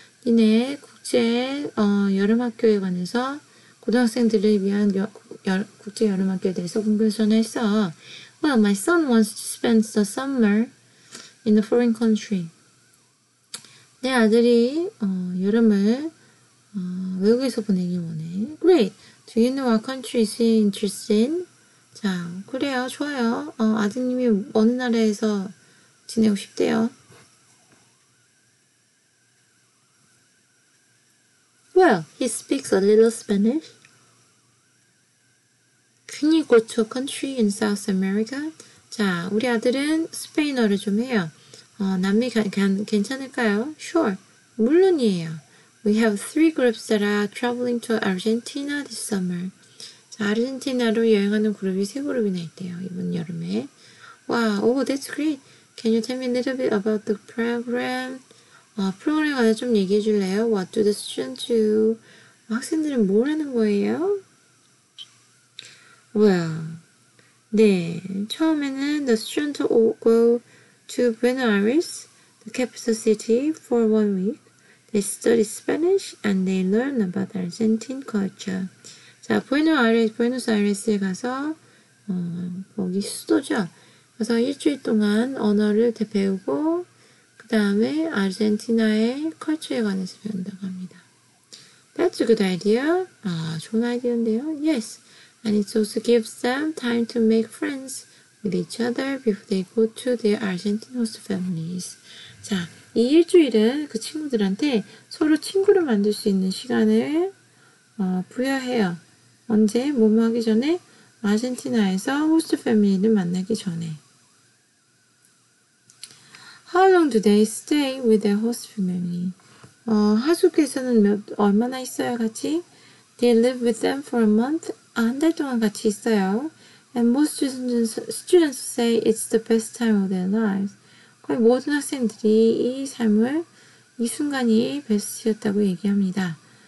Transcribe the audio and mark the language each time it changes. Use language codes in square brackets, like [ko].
[ko] 니네 국제 여름학교에 관해서 고등학생들을 위한 국제 여름학교에 대해서 공부를 전화했어. [en] Well, my son wants to spend the summer in a foreign country. [ko] 내 아들이 여름을 외국에서 보내기 원해. [en] Great! Do you know what country is interested in? [ko] 자, 그래요. 좋아요. 아드님이 어느 나라에서 지내고 싶대요? [en] Well, he speaks a little Spanish. Can you go to a country in South America? [ko] 자, 우리 아들은 스페인어를 좀 해요. 남미 괜찮을까요? [en] Sure. [ko] 물론이에요. [en] We have three groups that are traveling to Argentina this summer. [ko] 자, 아르헨티나로 여행하는 그룹이 세 그룹이나 있대요, 이번 여름에. [en] Wow, oh, that's great. Can you tell me a little bit about the program? [ko] 프로그램에 관해 좀 얘기해 줄래요? [en] What do the students do? [ko] 학생들은 뭘 하는 거예요? [en] Well, [ko] 네, 처음에는 [en] the students will go to Buenos Aires, the capital city, for 1 week. They study Spanish and they learn about Argentine culture. [ko] 자, Buenos Aires에 가서 거기 수도죠. 그래서 일주일 동안 언어를 배우고 그 다음에 아르헨티나의 컬처에 관해서 배운다고 합니다. [en] That's a good idea. [ko] 아, 좋은 아이디어인데요. [en] Yes, and it also gives them time to make friends with each other before they go to their Argentine host families. [ko] 자, 이 일주일은 그 친구들한테 서로 친구를 만들 수 있는 시간을 부여해요. 언제? 뭐뭐 하기 전에? 아르헨티나에서 호스트 패밀리를 만나기 전에. [en] How long do they stay with their host family? [ko] 하숙에서는 얼마나 있어요, 같이? [en] They live with them for a month. [ko] 한 달 동안 같이 있어요. [en] And most students say it's the best time of their lives. [ko] 거의 모든 학생들이 이 삶을, 이 순간이 베스트였다고 얘기합니다.